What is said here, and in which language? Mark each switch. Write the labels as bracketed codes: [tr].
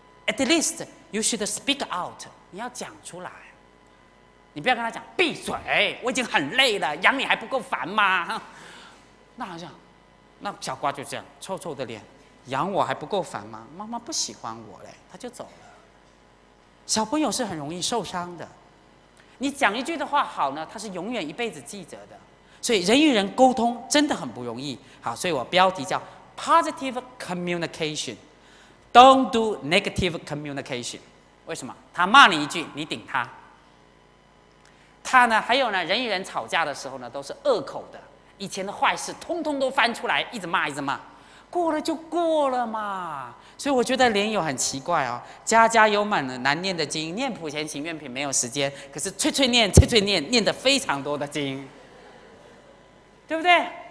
[zh] At least you should speak out，你要讲出来，你不要跟他讲闭嘴，我已经很累了，养你还不够烦吗？那好像那小瓜就这样臭臭的脸养我还不够烦吗？妈妈不喜欢我嘞，他就走了。小朋友是很容易受伤的，你讲一句的话好呢，他是永远一辈子记着的。所以人与人沟通真的很不容易。 [en] 好，所以我标题叫 Positive Communication Don't do Negative Communication。 [zh] 为什么？他骂你一句你顶他，他呢还有呢，人与人吵架的时候呢都是恶口的，以前的坏事通通都翻出来，一直骂一直骂，过了就过了嘛。所以我觉得莲友很奇怪哦，家家有满了难念的经，念普贤行愿品没有时间，可是催催念催催念念得非常多的经，对不对？